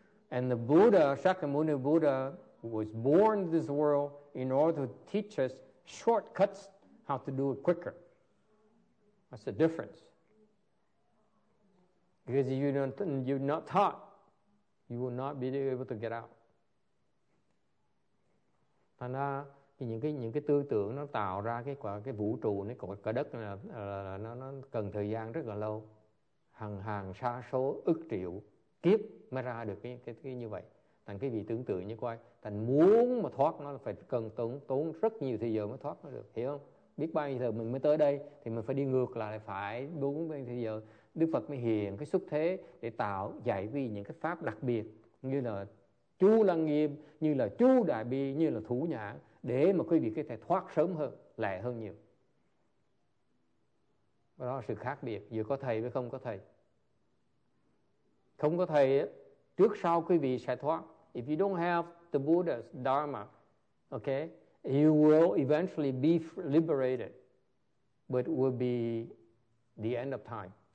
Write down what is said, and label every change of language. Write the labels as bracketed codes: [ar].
[en] And the Buddha, Shakyamuni Buddha, was born in this world in order to teach us shortcuts how to do it quicker. That's the difference. Because you're not taught, you will not be able to get out. [vi] Thành ra thì những cái tư tưởng nó tạo ra cái vũ trụ này, cả đất là nó cần thời gian rất là lâu, hàng xa số ức triệu kiếp mới ra được cái như vậy. Thành cái vị tưởng tượng như coi, thành muốn mà thoát nó là phải cần tốn rất nhiều thời giờ mới thoát nó được, hiểu không? Biết bao nhiêu giờ mình mới tới đây thì mình phải đi ngược lại, phải đúng bao nhiêu thời giờ Đức Phật mới hiện cái xuất thế để tạo dạy vì những cái pháp đặc biệt như là Chú Lăng Nghiêm, như là Chú Đại Bi, như là Thủ Nhãn, để mà quý vị có thể thoát sớm hơn, lẹ hơn nhiều. Đó là sự khác biệt giữa có thầy với không có thầy. Không có thầy, trước sau quý vị sẽ thoát. [en] If you don't have the Buddha's Dharma, okay, you will eventually be liberated, but will be the end of time.